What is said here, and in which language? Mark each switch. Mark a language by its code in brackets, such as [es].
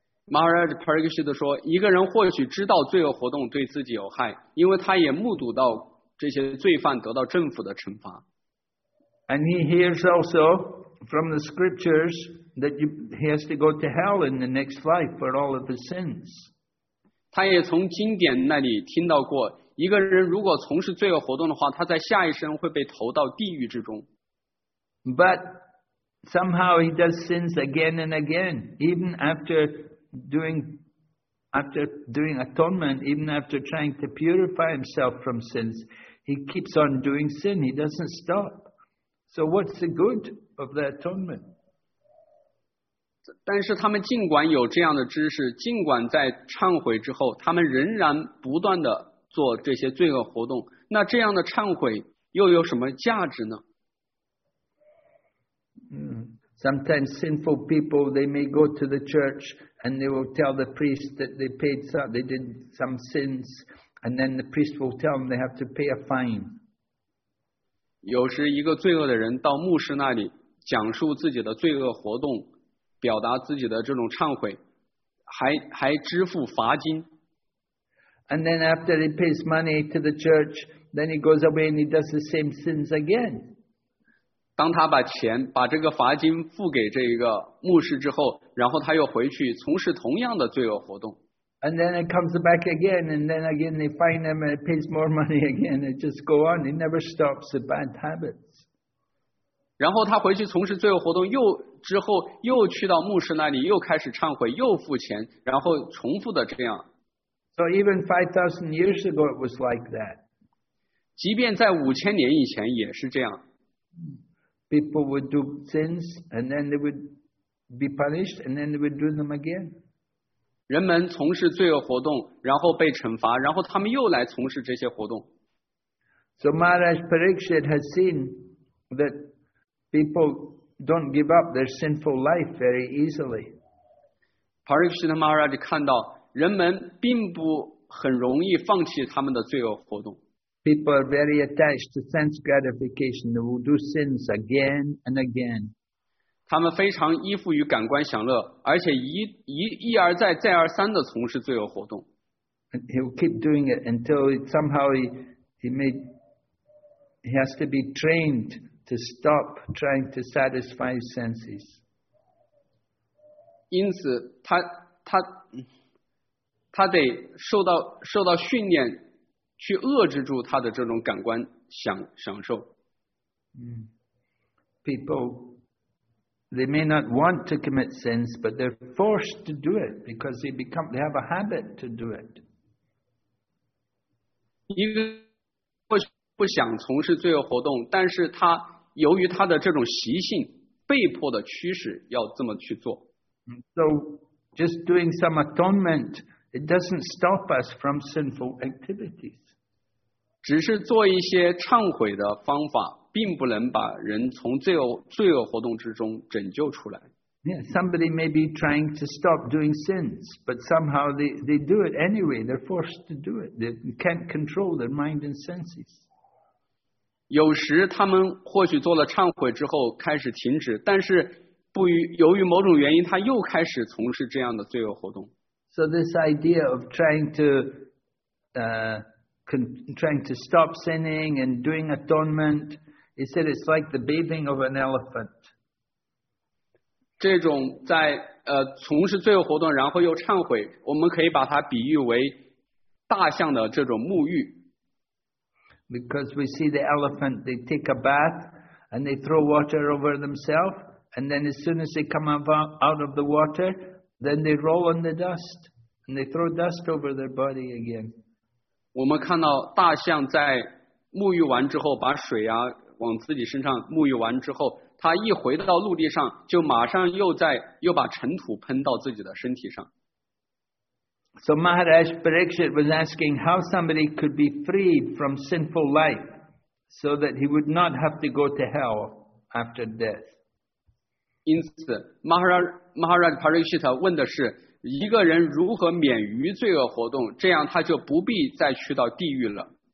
[zh] Maharaj Parikshit 说，一个人或许知道罪恶活动对自己有害，因为他也目睹到这些罪犯得到政府的惩罚。 [en] And he hears also from the scriptures that he has to go to hell in the next life for all of his sins. [zh] 他也从经典那里听到过，一个人如果从事罪恶活动的话，他在下一生会被投到地狱之中。 [en] But somehow he does sins again and again, even after doing atonement, even after trying to purify himself from sins, he keeps on doing sin. He doesn't stop. So what's the good of the atonement? [zh] 但是他们尽管有这样的知识，尽管在忏悔之后，他们仍然不断的做这些罪恶活动。那这样的忏悔又有什么价值呢？ [en] Sometimes sinful people, they may go to the church and they will tell the priest that they paid some, they did some sins, and then the priest will tell them they have to pay a fine. [zh] 有时一个罪恶的人到牧师那里讲述自己的罪恶活动，表达自己的这种忏悔，还支付罚金。 [en] And then after he pays money to the church, then he goes away and he does the same sins again. [zh] 当他把钱把这个罚金付给这个牧师之后，然后他又回去从事同样的罪恶活动。 [en] And then it comes back again, and then again they find him and he pays more money again. It just go on. He never stops the bad habits. [zh] 然后他回去从事罪恶活动又之后又去到牧师那里又开始忏悔又付钱，然后重复的这样。 [en] So even 5,000 years ago it was like that. [zh] 即便在五千年以前也是这样。 [en] People would do sins and then they would be punished and then they would do them again. [zh] 人们从事罪恶活动然后被惩罚，然后他们又来从事这些活动。 [en] So Maharaj Parikshit has seen that people don't give up their sinful life very easily. [zh] Parikshit Maharaj 看到人们并不很容易放弃他们的罪恶活动。 [en] People are very attached to sense gratification. They will do sins again and again. [zh] 他们非常依附于感官享乐，而且一而再、再而三地从事罪恶活动。 [en] He will keep doing it until somehow he has to be trained to stop trying to satisfy his senses. [zh] 因此，他得受到训练，去遏制住他的这种感官享受。 [en] People, they may not want to commit sins, but they're forced to do it because they have a habit to do it. [zh] 一个不想从事罪恶活动，但是他由于他的这种习性，被迫的驱使要这么去做。 [en] So, just doing some atonement. It doesn't stop us from sinful activities. [zh] 只是做一些忏悔的方法，并不能把人从罪恶活动之中拯救出来。 [en] Yeah, somebody may be trying to stop doing sins, but somehow they do it anyway. They're forced to do it. They can't control their mind and senses. [zh] 有时他们或许做了忏悔之后开始停止，但是由于某种原因，他又开始从事这样的罪恶活动。 [en] So this idea of trying to stop sinning and doing atonement, he said it's like the bathing of an elephant. [zh] 这种在从事罪恶活动然后又忏悔，我们可以把它比喻为大象的这种沐浴。 [en] Because we see the elephant, they take a bath and they throw water over themselves, and then as soon as they come out of the water,Then they roll on the dust, and they throw dust over their body again. [zh] 我们看到大象在沐浴完之后，把水啊往自己身上沐浴完之后，它一回到陆地上，就马上又把尘土喷到自己的身体上。 [en] So Maharaj Parikshit was asking how somebody could be freed from sinful life so that he would not have to go to hell after death. [zh] 因此Maharaj Parikshit 问的是一个人如何免于罪恶活动，这样他就不必再去到地狱了。